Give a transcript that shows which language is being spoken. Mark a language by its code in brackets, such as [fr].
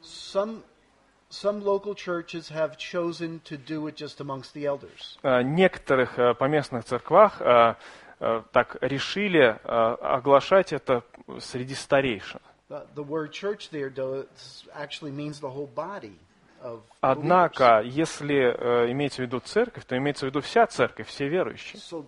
[en] Some local churches have chosen to do it just amongst the elders. [ru] Некоторых поместных церквах так решили оглашать это среди старейшин. [en] The word church there does actually means the whole body. [ru] Однако, если имеется в виду церковь, то имеется в виду вся церковь, все верующие.